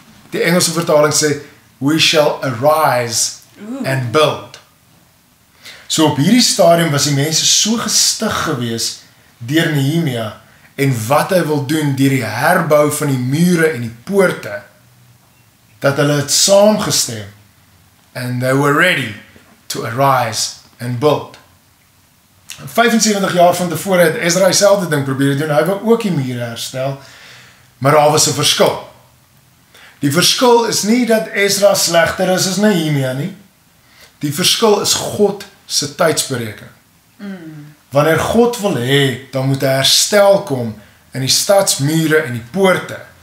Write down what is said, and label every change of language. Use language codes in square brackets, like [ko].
[af] Die Engelse vertaling sê, [en] "We shall arise and build." [af] So op hierdie stadium was die mense so gestig gewees deur Nehemia en wat hy wil doen deur die herbou van die mure en die poorte, dat hulle het saamgestem. [en] And they were ready to arise and build. [af] 75 jaar van tevore het Ezra dieselfde ding probeer doen. Hy wou ook die muur herstel. Maar daar was 'n verskil. Die verskil is nie dat Ezra slegter is as Nehemia nie. Die verskil is God se tydsberekening. Wanneer God wil hê, dan moet 'n herstel kom in die stadsmure en die poorte.